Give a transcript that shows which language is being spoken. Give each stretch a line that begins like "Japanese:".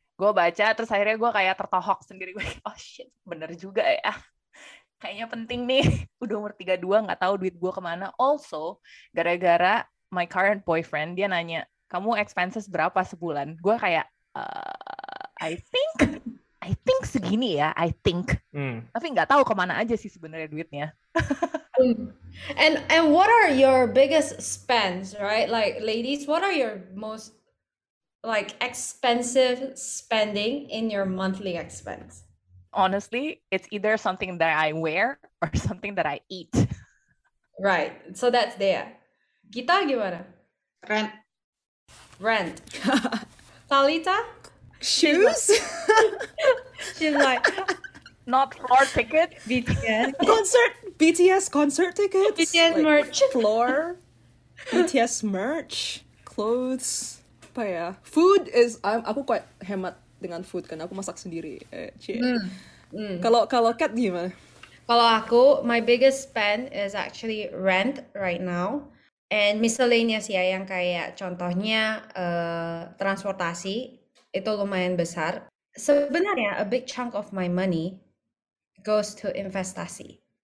Indonesian: Gue baca, terus akhirnya gue kayak tertohok sendiri. Gue,
English: oh shit,
Indonesian: bener juga ya. Kayaknya penting nih. Udah umur 32, gak tahu duit gue kemana. Also, gara-gara
English: my current boyfriend,
Indonesian: dia nanya, kamu expenses berapa sebulan? Gue kayak,
English: I think
Indonesian: segini ya, I think. Tapi nggak tahu kemana aja sih sebenarnya duitnya.
English: And what are your biggest spends, right? Like ladies, what are your most like expensive spending in your monthly expense? Honestly, it's either something that I wear or something that I eat. Right, so that's there. Gita gimana? Rent. Rent. Talita? Shoes? She's like, not floor ticket. BTS. Concert. BTS concert tickets. BTS like merch. Floor. BTS merch. Clothes.
Indonesian: Apa ya?
English: Food is,
Indonesian: aku quite hemat dengan food karena aku masak sendiri. Kalau Kat gimana? Kalau aku,
English: my biggest spend is actually rent right now. And miscellaneous
Indonesian: ya, yang kayak contohnya transportasi. Itu lumayan besar. Sebenarnya,
English: a big chunk of my money goes to investasi.